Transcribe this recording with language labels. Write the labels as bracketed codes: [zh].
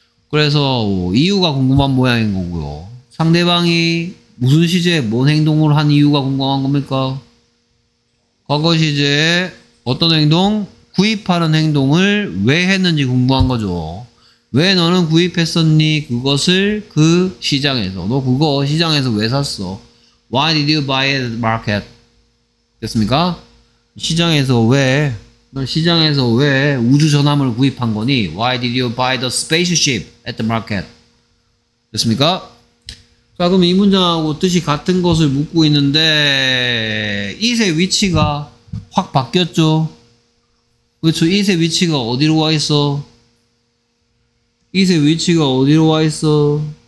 [ko] 그래서 이유가 궁금한 모양인 거고요. 상대방이 무슨 시제에 뭔 행동을 한 이유가 궁금한 겁니까? 과거 시제에 어떤 행동? 구입하는 행동을 왜 했는지 궁금한 거죠. 왜 너는 구입했었니? 그것을 그 시장에서. 너 그거 시장에서 왜 샀어? [en] Why did you buy it at the market? [ko] 됐습니까? 시장에서 왜, 너 시장에서 왜 우주전함을 구입한 거니? [en] Why did you buy the spaceship at the market? [ko] 됐습니까? 자, 그럼 이 문장하고 뜻이 같은 것을 묻고 있는데, it의 위치가 확 바뀌었죠? 그렇죠. it의 위치가 어디로 와 있어? it의 위치가 어디로 와 있어?